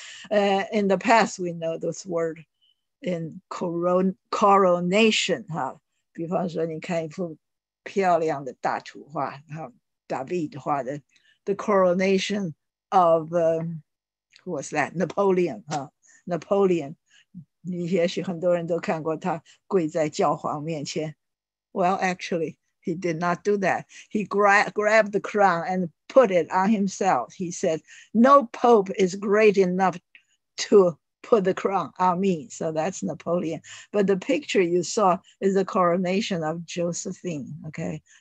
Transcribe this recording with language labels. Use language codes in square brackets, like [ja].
[en] In the past, we know this word in coronation, huh? [zh] 比方说你看一幅漂亮的大图画, huh? [en] David画的, the coronation of... Who was that? Napoleon, huh? Napoleon, [zh] 也许很多人都看过他跪在教皇面前。 [en] Well, actually, he did not do that. He grabbed the crown and put it on himself. He said, no pope is great enough to put the crown on me. So that's Napoleon. But the picture you saw is the coronation of Josephine, okay?